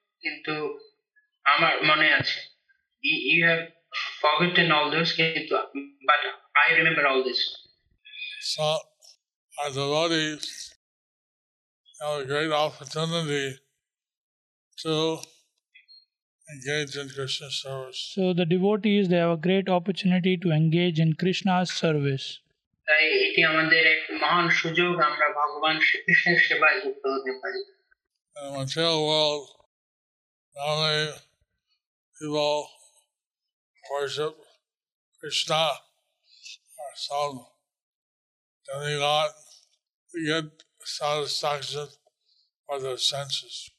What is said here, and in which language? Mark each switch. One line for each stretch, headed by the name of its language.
Bangla: কিন্তু আমার মনে আছে,
English: you have forgotten all this, but I remember all this. So, our devotees have a great opportunity to engage in Krishna's service. So, the devotees, they have a great opportunity to engage in Krishna's service.
Bangla: তাই এটি আমাদের এক মহান সুযোগ, আমরা ভগবান শ্রীকৃষ্ণের সেবায় যুক্ত হতে পারি.
English: In the material world, normally, people worship Krishna or some demigod to get satisfaction for their senses.